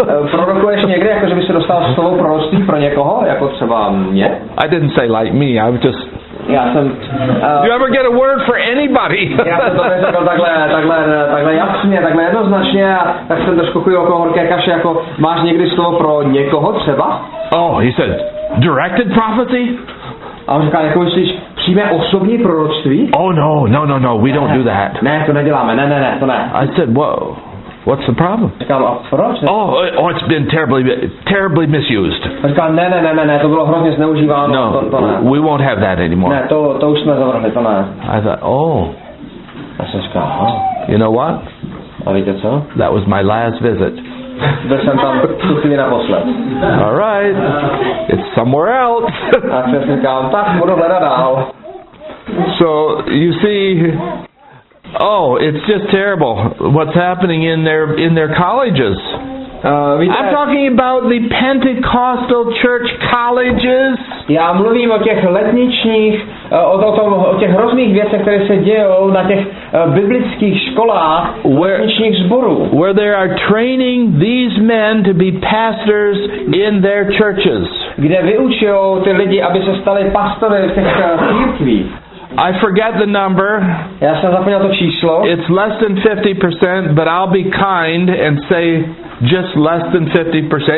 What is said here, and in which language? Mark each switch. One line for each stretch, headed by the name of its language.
Czech: Prorokuješ někdy, jakože by se dostal slovo proroctví pro někoho, jako třeba mě?
English: I didn't say like me, I was just...
Czech: Já jsem...
English: Do you ever get a word for anybody?
Czech: Já jsem to řekl takhle jasně, takhle jednoznačně, a tak jsem trošku chuji okolo horké kaše, jako máš někdy slovo pro někoho třeba?
English: Oh, he said, directed prophecy?
Czech: A on říkal, jako myslíš přímé osobní proroctví?
English: Oh no, we don't do that.
Czech: Ne, to neděláme, ne, to ne.
English: I said, whoa. What's the problem? Oh, it's been terribly misused.
Czech: Ne, to bylo hrozně zneužíváno.
English: No, we won't have that anymore.
Czech: Ne, to už jsme zavrhli, to ne.
English: I thought, oh.
Czech: Já jsem říkal, oh.
English: You know what?
Czech: A víte co?
English: That was my last visit.
Czech: Byl jsem tam tu chvíli naposled.
English: All right, it's somewhere else.
Czech: A já jsem říkal, tak budu hledat dál.
English: So, you see... Oh, it's just terrible what's happening in their colleges. I'm talking about the Pentecostal church colleges.
Czech: Já mluvím o těch letničních, o těch hrozných věcech, které se dějou na těch biblických školách letničních zborů.
English: Where they are training these men to be pastors in their churches.
Czech: Kde vyučují ty lidi, aby se stali pastory v těch církvích.
English: I forget the number.
Czech: Já jsem zapomněl to číslo.
English: It's less than 50%, but I'll be kind and say just less than 50%.